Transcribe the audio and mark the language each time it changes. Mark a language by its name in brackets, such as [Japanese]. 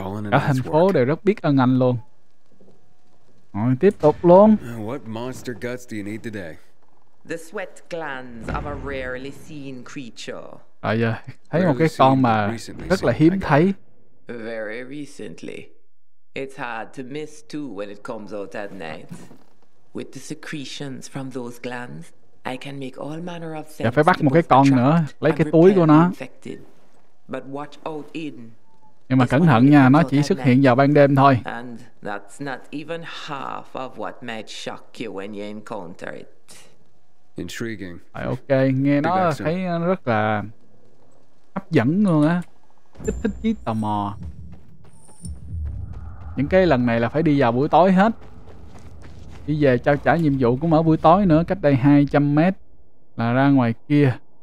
[Vietnamese] Cả thành phố đều rất biết ơn anh luôn. Rồi tiếp tục luôn. [English] What monster guts do you need today? [Vietnamese] The sweat glands of a rarely seen creature. À giờ thấy một cái con mà rất là hiếm thấy. [English] Very recently. It's hard to miss too when it comes out at night. With the secretions from those glands, I can make all manner of things. [Vietnamese] Phải bắt một cái con nữa, lấy cái túi của nó. [English] But watch out, Eden. [Vietnamese] Nhưng mà cẩn thận nha, nó chỉ xuất hiện vào ban đêm thôi. [English] And that's not even half of what might shock you when you encounter it. Intriguing. [Vietnamese] Ok, nghe nó thấy rất là hấp dẫn luôn á. Kích thích chí tò mò. Những cái lần này là phải đi vào buổi tối hết. Đi về trao trả nhiệm vụ cũng ở buổi tối nữa. Cách đây 200m là ra ngoài kia.